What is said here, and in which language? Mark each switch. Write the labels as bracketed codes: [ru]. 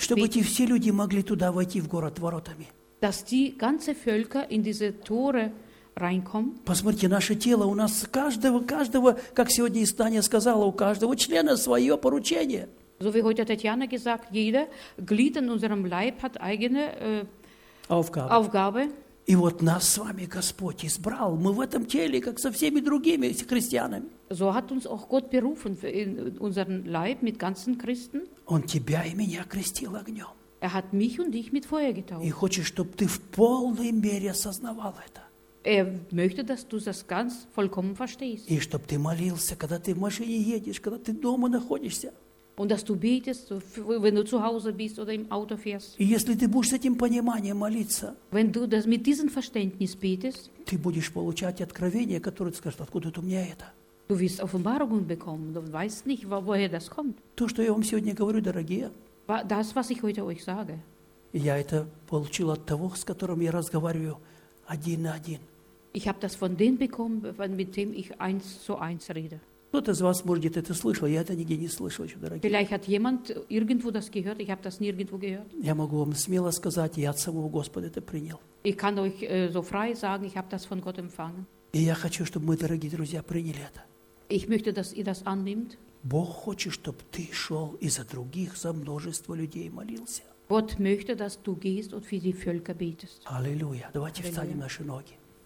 [ru] Чтобы эти все люди могли туда войти в город воротами. [de] Dass die ganze Völker in diese Tore reinkommen. [ru] Посмотрите, наше тело у нас каждого, как сегодня и Таня сказала, у каждого члена свое поручение. [de] So wie heute Tatjana gesagt, jeder Glied in unserem Leib hat eigene Aufgabe. [ru] И вот нас с вами Господь избрал. Мы в этом теле, как со всеми другими христианами. [de] So hat uns auch Gott berufen in unseren Leib mit ganzen Christen. [ru] Он тебя и меня крестил огнем. [de] Er hat mich und dich mit Feuer getauft. [ru] И хочет, чтобы ты в полной мере осознавал это. [de] Er möchte, dass du das ganz vollkommen verstehst. [ru] И чтобы ты молился, когда ты в машине едешь, когда ты дома находишься. [de] Und dass du betest, wenn du zu Hause bist oder im Auto fährst. [ru] И если ты будешь с этим пониманием молиться, [de] wenn du das mit diesem Verständnis betest, [ru] ты будешь получать откровение, которое ты скажешь, откуда у меня это? [de] Du wirst Offenbarungen bekommen. Du weißt nicht, woher das kommt. [ru] То, что я вам сегодня говорю, дорогие, [de] das, was ich heute euch sage, [ru] я это получил от того, с которым я разговариваю один на один. [de] Ich habe das von dem bekommen, mit dem ich eins zu eins rede. [ru] Кто-то из вас, может, это слышал, я это нигде не слышал еще, дорогие. [de] Vielleicht hat jemand irgendwo das gehört, ich habe das nirgendwo gehört. [ru] Я могу вам смело сказать, я от самого Господа это принял. [de] Ich kann euch so frei sagen, ich habe das von Gott empfangen. [ru] И я хочу, чтобы мы, дорогие друзья, приняли это. [de] Ich möchte, dass ihr das annimmt. [ru] Бог хочет, чтобы ты шел и за других, за множество людей молился. [de] Gott möchte, dass du gehst und für die Völker betest. [ru] Аллилуйя. Давайте встанем наши ноги.